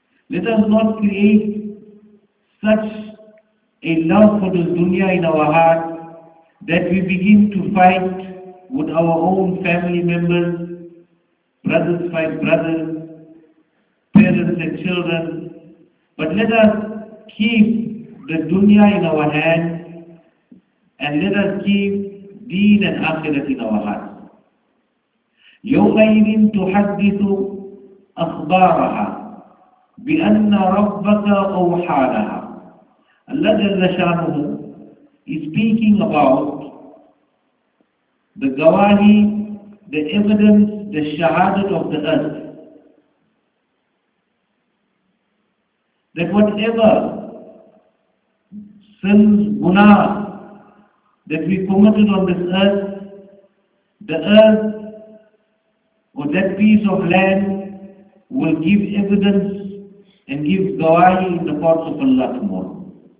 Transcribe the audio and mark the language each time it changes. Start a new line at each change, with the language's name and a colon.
English: Let us not create such a love for this dunya in our heart that we begin to fight with our own family members, brothers fight brothers, parents and children. But let us keep the dunya in our hand and let us keep deen and akhirat in our heart.
Arabic: يومئذ تحدث أخبارها بأن ربك أوحى لها.
English: Allah Jalla Shanuhu is speaking about the gawahi, the evidence, the shahadat of the earth. That whatever sins, guna that we committed on this earth, the earth or that piece of land will give evidence and give gawahi in the courts of Allah tomorrow.